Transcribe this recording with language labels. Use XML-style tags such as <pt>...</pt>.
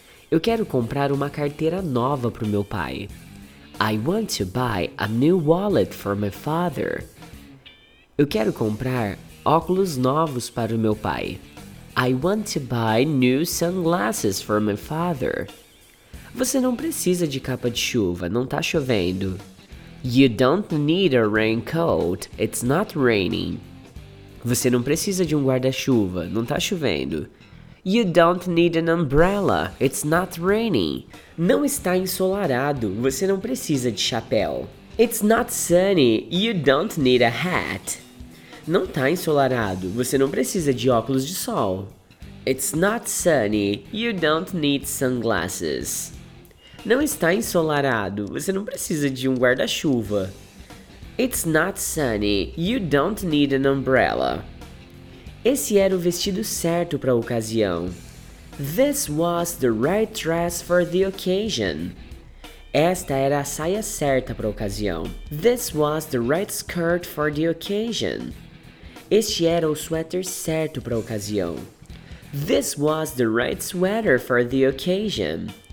<pt>Eu quero comprar uma carteira nova pro meu pai.</pt> <en>I want to buy a new wallet for my father.</en> <pt>Eu quero comprar óculos novos para o meu pai.</pt> <en>I want to buy new sunglasses for my father.</en> <pt>Você não precisa de capa de chuva, não tá chovendo.</pt> <en>You don't need a raincoat, it's not raining.</en> <pt>Você não precisa de um guarda-chuva, não tá chovendo.</pt> <en>You don't need an umbrella, it's not raining.</en> <pt>Não está ensolarado, você não precisa de chapéu.</pt> <en>It's not sunny, you don't need a hat.</en> <pt>Não tá ensolarado, você não precisa de óculos de sol.</pt> <en>It's not sunny, you don't need sunglasses.</en> <pt>Não está ensolarado, você não precisa de um guarda-chuva.</pt> <en>It's not sunny, you don't need an umbrella.</en> <pt>Esse era o vestido certo para a ocasião.</pt> <en>This was the right dress for the occasion.</en> <pt>Esta era a saia certa para a ocasião.</pt> <en>This was the right skirt for the occasion.</en> <pt>Este era o suéter certo para a ocasião.</pt> <en>This was the right sweater for the occasion.</en>